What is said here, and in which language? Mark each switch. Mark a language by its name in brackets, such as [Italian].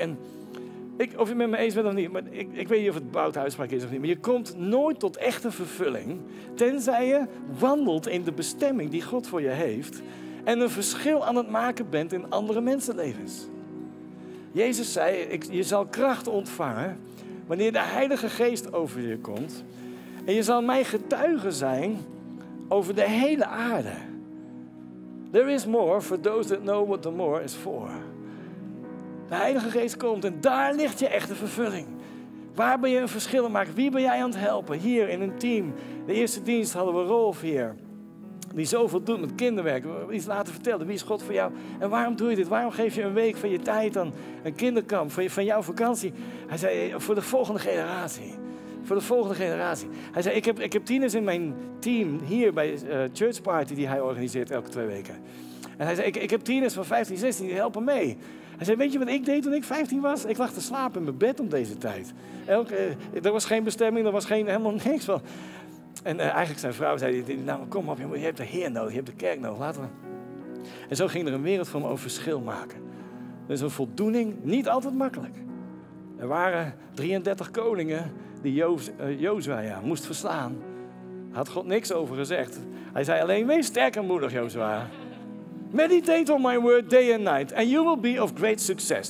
[Dutch] En of je het met me eens bent of niet, maar ik weet niet of het Bout uitspraak is of niet, maar je komt nooit tot echte vervulling, tenzij je wandelt in de bestemming die God voor je heeft en een verschil aan het maken bent in andere mensenlevens. Jezus zei, je zal kracht ontvangen wanneer de Heilige Geest over je komt. En je zal mijn getuige zijn over de hele aarde. [English] There is more for those that know what the more is for. [Dutch] De Heilige Geest komt en daar ligt je echte vervulling. Waar ben je een verschil aan maken? Wie ben jij aan het helpen? Hier in een team. De eerste dienst hadden we Rolf hier. Die zoveel doet met kinderwerk. Iets laten vertellen. Wie is God voor jou? En waarom doe je dit? Waarom geef je een week van je tijd aan een kinderkamp? Van jouw vakantie? Hij zei, voor de volgende generatie. Voor de volgende generatie. Hij zei, ik heb tieners in mijn team hier bij Church Party die hij organiseert elke twee weken. En hij zei, ik heb tieners van 15, 16 die helpen mee. Hij zei, weet je wat ik deed toen ik 15 was? Ik lag te slapen in mijn bed om deze tijd. Er was geen bestemming, er was helemaal niks van. En eigenlijk zijn vrouw zei, nou, kom op, je hebt de Heer nodig, je hebt de kerk nodig, laten we. En zo ging er een wereld van over verschil maken. Dus een voldoening, niet altijd makkelijk. Er waren 33 koningen die Jozua moest verslaan. Had God niks over gezegd. Hij zei alleen, wees sterk en moedig, Jozua. [English] Meditate on my word day and night and you will be of great success.